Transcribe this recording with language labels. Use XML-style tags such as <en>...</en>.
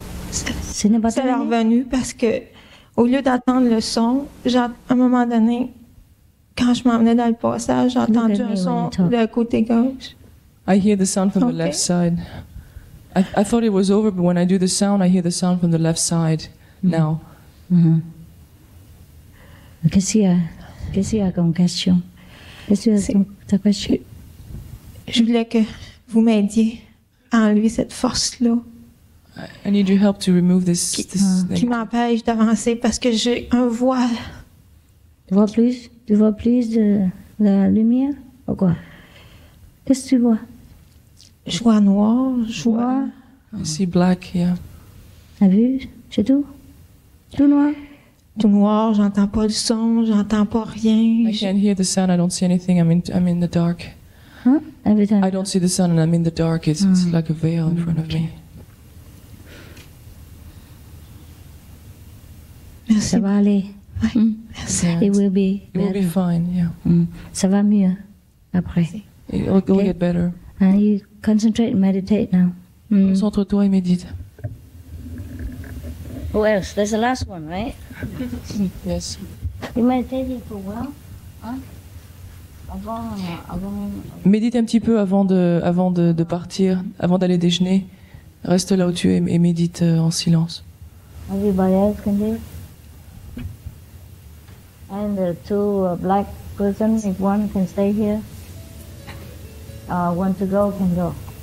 <fr>C'est revenu parce que au lieu d'attendre le son, à un moment donné, quand je m'emmenais dans le passage, j'ai entendu un son de la côté gauche.</fr> <en>I hear the sound from the left side. I thought it was over, but when I do the sound, I hear the sound from the left side now.</en> <fr>Qu'est-ce qu'il y a comme question? Qu'est-ce que c'est ta question? Je voulais que vous m'aidiez à enlever cette force-là.</fr> <en>I need your help to remove this thing.</en> <fr>Qui m'empêche d'avancer parce que j'ai un voile. Tu vois plus? Tu vois plus de la lumière? Ou quoi? Qu'est-ce que tu vois? Je vois noir, je vois.</fr> <en>I see black, yeah.</en> <fr>T'as vu? C'est tout? Tout noir? Tout noir, j'entends pas le son, j'entends pas rien.</fr> <en>I can't hear the sound, I don't see anything, I'm in the dark. Huh? Every time? I don't see the sound and I'm in the dark, it's like a veil in front of me.</en> <fr>Merci. Ça va aller. Merci.</fr> <en>It will be. It will be fine. Yeah. Ça va mieux après. It will okay. Get better. And you concentrate, and meditate now.</en> <fr>Concentre-toi et médite.</fr> <en>Who else? There's the last one, right? Yes. You meditated for a while.</en> <fr>Avant. Médite un petit peu avant de partir, avant d'aller déjeuner. Reste là où tu es et médite en silence.</fr> <en>Everybody else can do. And the two black persons, if one can stay here, want to go, can go.</en>